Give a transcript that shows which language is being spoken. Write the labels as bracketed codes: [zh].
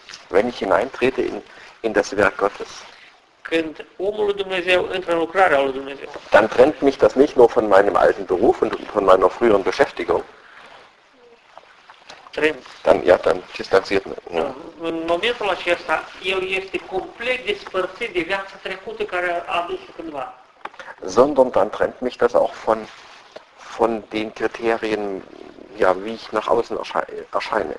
[de] Wenn ich hineintrete in das Werk Gottes, [ro] când omul lui Dumnezeu intră în lucrarea lui Dumnezeu. [de] Dann trennt mich das nicht nur von meinem alten Beruf und von meiner früheren Beschäftigung. Dann distanziert mich. [ro] În momentul acesta, el este complet despărțit de viața trecută care a dus cândva. [de] Sondern dann trennt mich das auch von den Kriterien, ja, wie ich nach außen erscheine.